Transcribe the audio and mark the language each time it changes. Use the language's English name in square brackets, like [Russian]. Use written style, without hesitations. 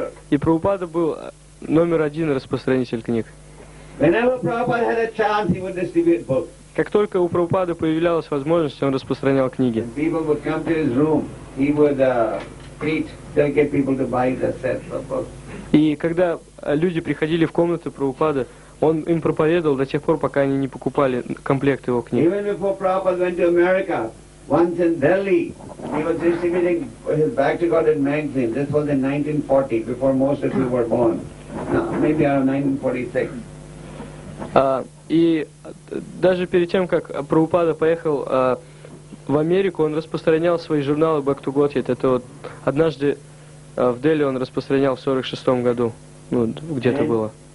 [Russian] И Прабхупада был номер один распространитель книг. [English] Whenever Prabhupada had a chance, he would distribute books. [Russian] Как только у Прабхупады появлялась возможность, он распространял книги. [English] When people would come to his room, he would get people to buy the sets of books. [Russian] И когда люди приходили в комнату Прабхупады, он им проповедовал до тех пор, пока они не покупали комплект его книг. [English] Even before Prabhupada went to America, once in Delhi, he was distributing his Back to Godhead magazine. This was in 1940, before most of you were born. No, maybe around 1946. [Russian] И даже перед тем, как Прабхупада поехал в Америку, он распространял свои журналы Back to Godhead. Это вот однажды в Дели он распространял в 1946 году, где-то было.